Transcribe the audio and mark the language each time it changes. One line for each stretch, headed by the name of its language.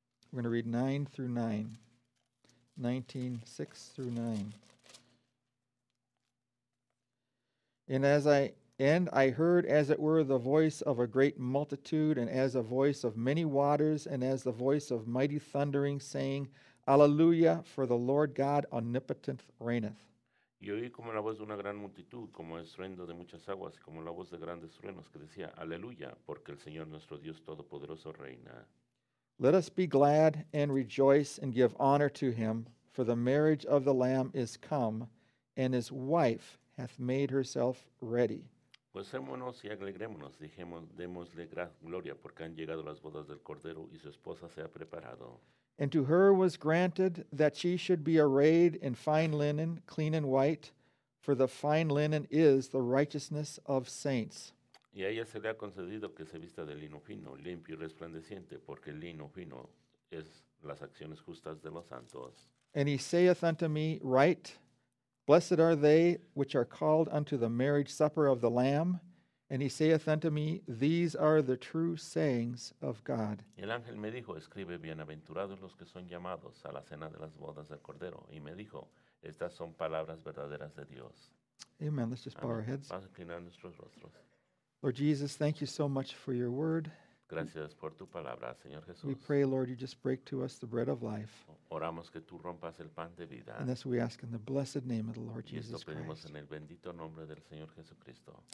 English: We're going to read 9 through 9. 19:6-9. And I heard as it were the voice of a great multitude, and as a voice of many waters, and as the voice of mighty thundering, saying, Alleluia, for the Lord God omnipotent reigneth.
Spanish: Y oí como la voz de una gran multitud, como el estruendo de muchas aguas, y como la voz de grandes truenos, que decía, Alleluia, porque el Señor nuestro Dios todopoderoso reina.
English: Let us be glad and rejoice and give honor to him, for the marriage of the Lamb is come, and his wife hath made herself ready.
Spanish: Gocémonos y alegrémonos, dijemos, démosle gloria, porque han llegado las bodas del Cordero y su esposa se ha preparado.
English: And to her was granted that she should be arrayed in fine linen, clean and white, for the fine linen is the righteousness of saints.
Spanish: Y a ella se le ha concedido que se vista de lino fino, limpio y resplandeciente, porque el lino fino es las acciones justas de los santos.
English: And he saith unto me, Write, blessed are they which are called unto the marriage supper of the Lamb. And he saith unto me, These are the true sayings of God.
Spanish: Y el ángel me dijo, Escribe, bienaventurados los que son llamados a la cena de las bodas del Cordero. Y me dijo, Estas son palabras verdaderas de Dios.
English: Amen. Let's just bow our heads.
Spanish: Vamos a inclinar nuestros rostros.
English: Lord Jesus, thank you so much for your word.
Spanish: Gracias por tu palabra, Señor Jesús.
English: We pray, Lord, you just break to us the bread of life.
Spanish: Oramos que tú rompas el pan de vida.
English: And this we ask in the blessed name of the Lord Jesus Christ.
Spanish: Y esto pedimos en el bendito nombre del Señor Jesucristo.